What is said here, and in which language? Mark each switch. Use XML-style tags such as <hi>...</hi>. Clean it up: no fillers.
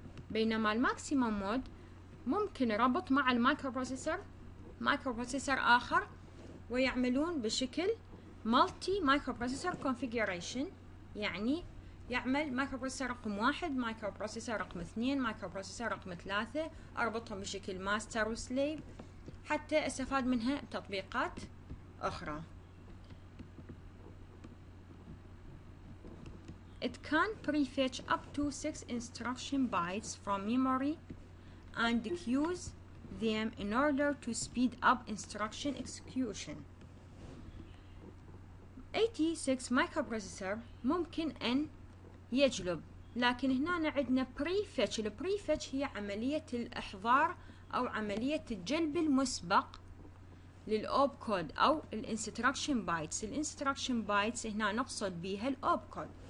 <ar>بينما الماكسيمم مود ممكن ربط مع المايكروبروسيسور مايكروبروسيسور اخر ويعملون بشكل مالتي مايكروبروسيسور كونفيجريشن، يعني يعمل مايكروبروسيسور رقم 1، مايكروبروسيسور رقم 2، مايكروبروسيسور رقم 3، اربطهم بشكل ماستر وسليف حتى استفاد منها بتطبيقات اخرى.</ar> <en>It can prefetch up to 6 instruction bytes from memory and queues them in order to speed up instruction execution.</en> <ar>86 microprocessor ممكن ان يجلب، لكن هنا عندنا prefetch، prefetch هي عملية الاحضار او عملية الجلب المسبق للاوب كود او الانستركشن بايتس. الانستركشن بايتس هنا نقصد بها الاوب كود،</ar>